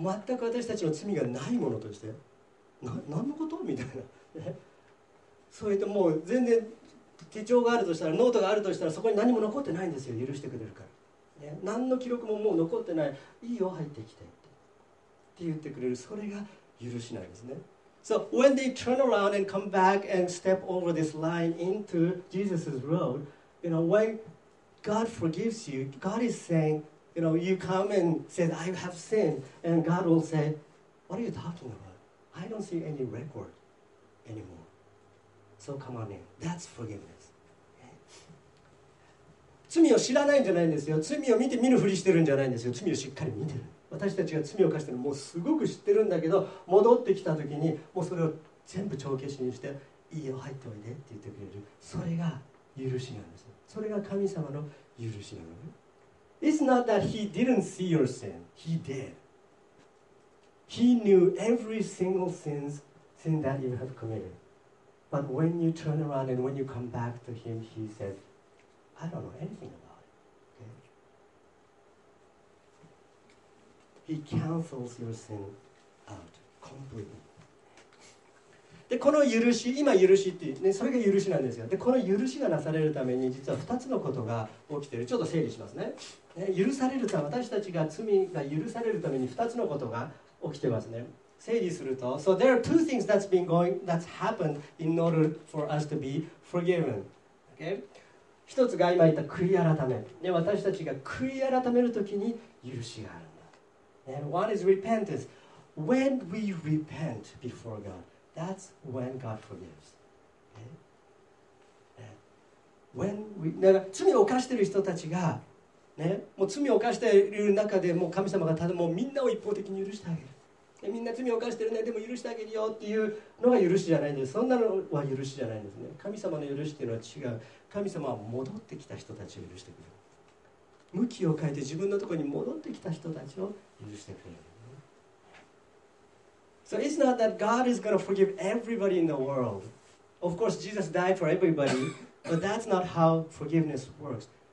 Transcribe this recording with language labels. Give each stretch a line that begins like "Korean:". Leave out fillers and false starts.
Japanese: ね、全く私たちの罪がないものとして、何のことみたいな、ね、そう言って、もう全然手帳があるとしたら、ノートがあるとしたら、そこに何も残ってないんですよ。許してくれるから、何の記録ももう残ってない、いいよ入ってきてって言ってくれる、それが許しなんですね。
English: So when they turn around and come back and step over this line into Jesus' road, you know, when God forgives you, God is saying, you know, you come and said, I have sinned, and God will say, what are you talking about? I don't see any record anymore. So come on in. That's forgiveness.
Japanese: 罪を知らないんじゃないんですよ。罪を見て見ぬふりしてるんじゃないんですよ。罪をしっかり見てる。私たちが罪を犯してるのもうすごく知ってるんだけど、戻ってきた時にもうそれを全部帳消しにして、いいよ入っておいでって言ってくれる、それが許しなんですよ。それが神様の許しなの。
English: It's not that he didn't see your sin. He did. He knew every single sin that you have committed. But when you turn around and when you come back to him, he saidI don't know anything about it. Okay. He cancels your sin out completely.
Japanese: で、この許し、今許しっていう、ね、それが許しなんですよ。で、この許しがなされるために、実は2つのことが起きている。ちょっと整理しますね。ね、許されるため、私たちが罪が許されるために2つのことが起きてますね。整理すると、
English: So there are two things that's been going, that's happened in order for us to be forgiven. Okay.
Japanese: 一つが今言った悔い改め、ね、私たちが悔い改めるときに許しがあるんだ。
English: And one is repentance. When we repent before God, that's when God forgives. When we,
Japanese: だから罪を犯している人たちがね、もう罪を犯している中でもう神様がただもうみんなを一方的に許してあげる。でみんな罪を犯してるね、でも許してあげるよっていうのが許しじゃないんです。そんなのは許しじゃないんですね。神様の許しっていうのは違う。神様は戻ってきた人たちを許してくれる。向きを変えて自分のところに戻ってきた人たちを許してくれる。
English: So it's not that God is going to forgive everybody in the world. Of course, Jesus died for everybody, but that's not how forgiveness works.